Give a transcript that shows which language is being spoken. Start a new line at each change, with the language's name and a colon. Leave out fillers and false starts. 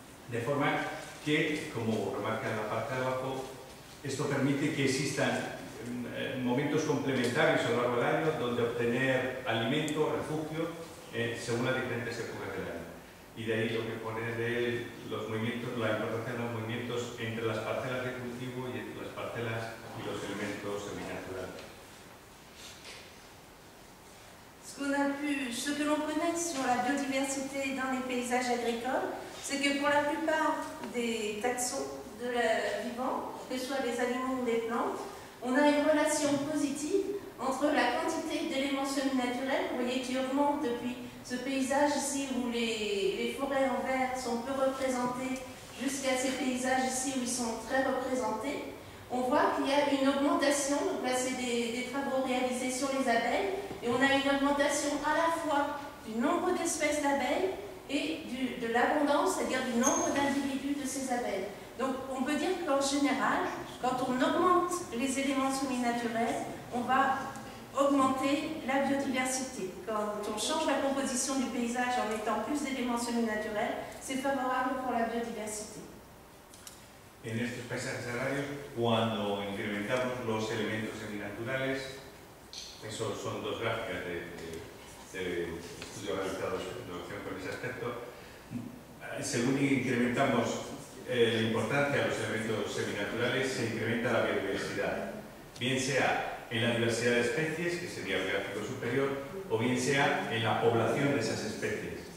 Spanish: De forma que, como remarca en la parte de abajo, esto permite que existan momentos complementarios a lo largo del año donde obtener alimento, refugio, según las diferentes épocas del año. Y de ahí lo que pone de los movimientos, la importancia de los movimientos entre las parcelas de cultivo y entre las parcelas y los elementos semi-naturales.
French: Ce que l'on connaît sur la biodiversité dans les paysages agricoles, c'est que pour la plupart des taxons de la vivant, que ce soit des animaux ou des plantes, on a une relation positive entre la quantité d'éléments semi-naturels, vous voyez, qui augmente depuis ce paysage ici où les forêts en vert sont peu représentées, jusqu'à ces paysages ici où ils sont très représentés. On voit qu'il y a une augmentation, donc là c'est des travaux réalisés sur les abeilles, et on a une augmentation à la fois du nombre d'espèces d'abeilles et de l'abondance, c'est-à-dire du nombre d'individus de ces abeilles. Donc on peut dire qu'en général, quand on augmente les éléments semi-naturels, on va augmenter la biodiversité. Quand on change la composition du paysage en mettant plus d'éléments semi-naturels, c'est favorable pour la biodiversité.
Spanish: En estos paisajes agrarios, cuando incrementamos los elementos semi-naturales, eso son dos gráficas de estudios realizados con ese aspecto, según incrementamos la importancia de los elementos seminaturales, se incrementa la biodiversidad, bien sea en la diversidad de especies, que sería el gráfico superior, o bien sea en la población de esas especies.